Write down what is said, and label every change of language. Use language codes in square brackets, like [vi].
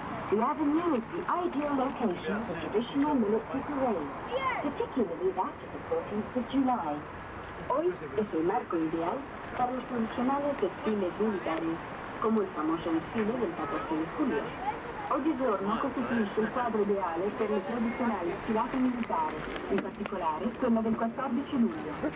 [en] the avenue is the ideal location for traditional military parade, particularly that of the 14th of July. [es] Hoy es el marco ideal para los tradicionales desfiles militares, como el famoso desfile del 14 de julio. [it] Oggigiorno costituisce il quadro ideale per le tradizionali sfilate militari, in particolare quella del 14 luglio.